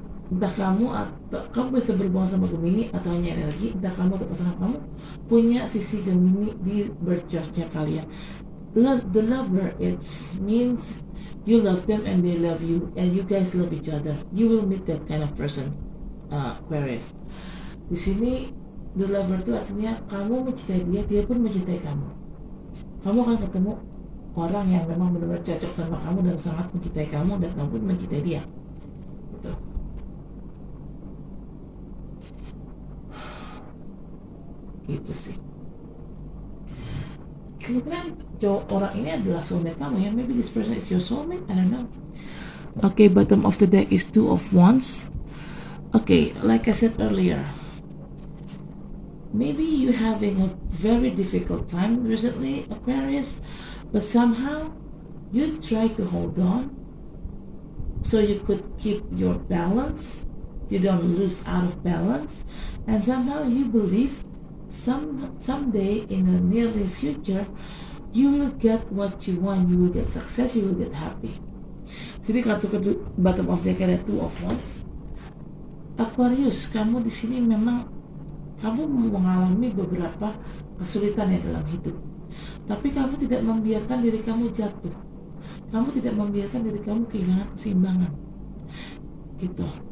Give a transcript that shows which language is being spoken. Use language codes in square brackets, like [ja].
[id] Entah kamu atau kamu bisa berhubungan sama Gemini atau hanya energi. Entah kamu atau pasangan kamu punya sisi Gemini di birth chart-nya kalian. [en] The Lover, it means you love them and they love you, and you guys love each other. You will meet that kind of person. [id] Aquarius, di sini The Lover itu artinya kamu mencintai dia, dia pun mencintai kamu. Kamu akan ketemu orang yang memang benar-benar cocok sama kamu dan sangat mencintai kamu, dan kamu pun mencintai dia. Gitu. Gitu sih. Kemudian cowok orang ini adalah soulmate kamu ya. [en] Maybe this person is your soulmate, I don't know. Okay, bottom of the deck is Two of Wands. Okay, like I said earlier, maybe you're having a very difficult time recently, Aquarius, but somehow you try to hold on so you could keep your balance, you don't lose out of balance, and somehow you believe someday in the nearly future, you will get what you want, you will get success, you will get happy. [id] Jadi kalau ke [en] bottom of the card, [id] Two of Wands. Aquarius, kamu di sini memang kamu mengalami beberapa kesulitan ya dalam hidup. Tapi kamu tidak membiarkan diri kamu jatuh. Kamu tidak membiarkan diri kamu kehilangan keseimbangan. Gitu.